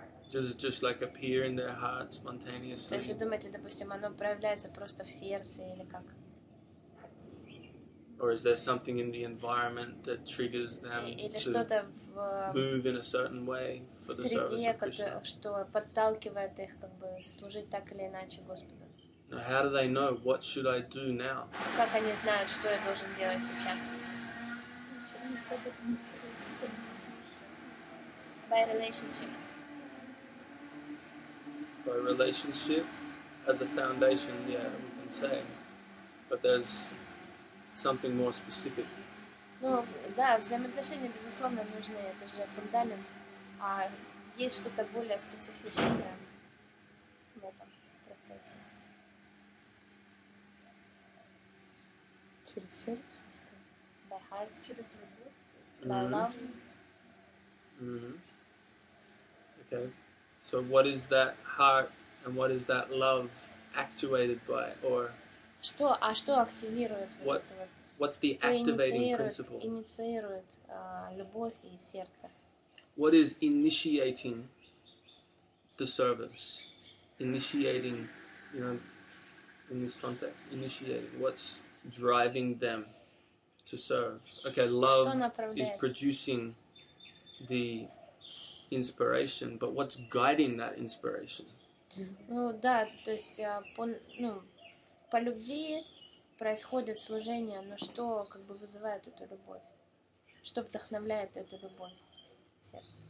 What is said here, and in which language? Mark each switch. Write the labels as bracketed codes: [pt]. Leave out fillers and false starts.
[en] Does it just like appear in their hearts spontaneously? [ru] То есть вы думаете, допустим, оно проявляется просто в сердце или как? [en] Or is there something in the environment that triggers them to move in a certain way for the service of Krishna? [ru] Среде, что подталкивает их как бы служить так или иначе Господу? [en] Now, how do they know what should I do now? [ru] Как они знают, что я должен делать сейчас? [en] By relationship. A relationship as a foundation, yeah, we can say, but there's something more specific. [ru] Ну да, взаимоотношения безусловно нужны, это же фундамент, а есть что-то более специфическое в этом процессе. Через сердце. [en] By heart. [ru] Через любовь. [en] By love. Mm-hmm. Okay. So what is that heart and what is that love actuated by, or [ru] что, а что активирует вот это вот? [en] What's the activating principle? [ru] Инициирует любовь и сердце. [en] What is initiating the service? Initiating, you know, in this context, initiating, what's driving them to serve. Okay, love is producing the inspiration, but what's guiding that inspiration? [ru] Ну да, то есть по любви происходит служение, но что как бы вызывает эту любовь? Что вдохновляет эту любовь в сердце?